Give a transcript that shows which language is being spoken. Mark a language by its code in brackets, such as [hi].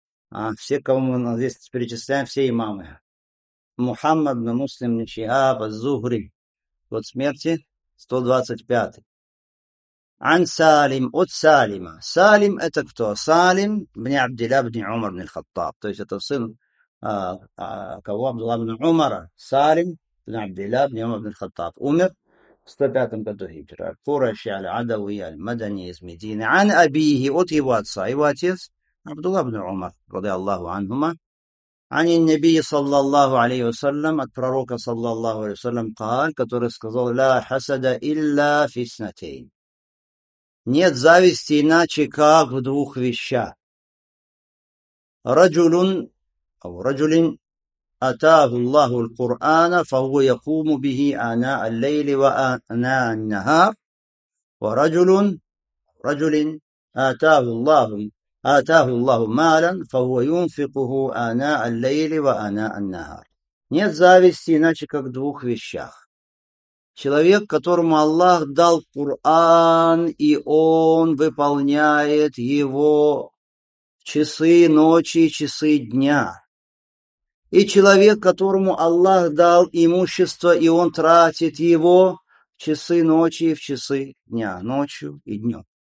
[ru] А все, кого мы здесь перечисляем, все имамы. Мухаммад ибн Муслим ибн Шихаб аз-Зухри. Год смерти 125. Ан Салим, от Салима. Салим это кто? Салим ибн Абдилла ибн Умар ибн Хаттаб. То есть это сын [ar] كوا عبد الله بن عمر، سالم بن عبد الله بن عمر بن الخطاب، عمر 105 году هجرة، قرشي العدوي المدني [ru] из [ar] مدينة، عن أبيه [ru] от его отца، его отец [ar] عبد الله بن عمر رضي الله عنهما، عن النبي صلى الله عليه وسلم، [ru] от пророка [ar] صلى الله عليه وسلم قال، [ru] который сказал: [ar] لا حسد إلا في اثنتين، [ru] нет зависти иначе как в двух вещах. [ar] رجل أو رجل أتاه الله القرآن فهو يقوم به آناء الليل وآناء النهار، ورجل رجل آتاه الله مالا فهو ينفقه آناء الليل وآناء النهار. [ru] Нет зависти иначе как в двух вещах. Человек, которому Аллах дал Коран, и он выполняет его часы ночи и часы дня. И человек, которому Аллах дал имущество, и он тратит его в часы ночи и в часы дня, ночью и днем.